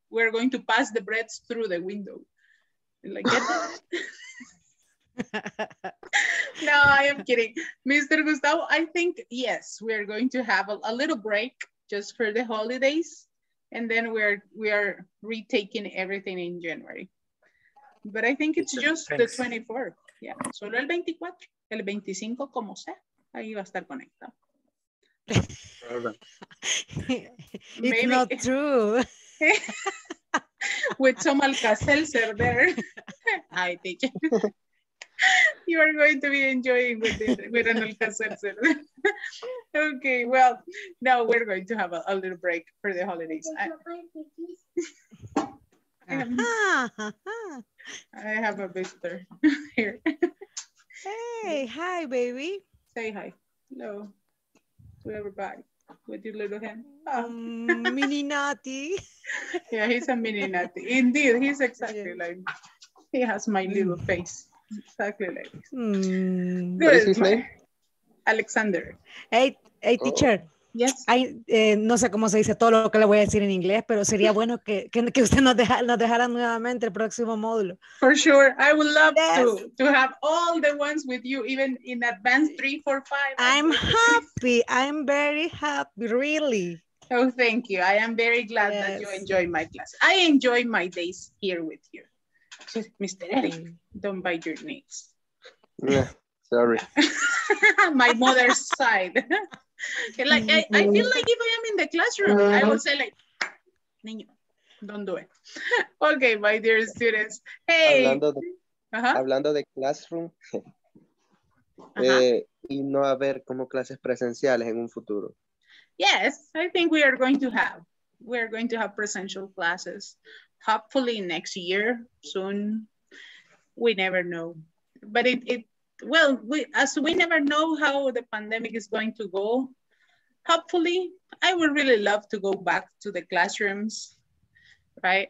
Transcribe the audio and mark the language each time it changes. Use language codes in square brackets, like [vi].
[en] We're going to pass the breads through the window. Like, get that? No, I am kidding. Mr. Gustavo, I think, yes, we are going to have a little break just for the holidays. And then we are retaking everything in January. But I think it's just the 24th. Yeah, [es] solo el 24. El 25, como sea, ahí va a estar conectado. [en] It's maybe. Not true. With some Alka-Seltzer there. Hi, teacher. You are going to be enjoying with an Alka-Seltzer. Okay, well, now we're going to have a little break for the holidays. I have a visitor here. Hey, hi, baby. Say hi. Hello. We're back with your little hand. Mini Naughty. Yeah, he's a mini Naughty. Indeed, he's exactly like he has my little face. Exactly. What is his name? Alexander. Hey, teacher. Yes. [es] No sé cómo se dice todo lo que le voy a decir en inglés, pero sería bueno que usted nos dejara nuevamente el próximo módulo. [en] For sure. I would love to have all the ones with you, even in advance 3, 4, 5. I'm happy. I'm very happy, really. Oh, thank you. I am very glad that you enjoy my class. I enjoy my days here with you. Mr. Eric, don't bite your knees. Yeah, sorry. My mother's side. Like, I feel like if I am in the classroom, I would say like, Niño, don't do it. Okay, my dear students. Hey. [es] Hablando de classroom. Y no haber como clases presenciales en un futuro. [en] Yes, I think we are going to have. We are going to have presential classes. Hopefully next year, soon. We never know. But we never know how the pandemic is going to go. Hopefully, I would really love to go back to the classrooms, right?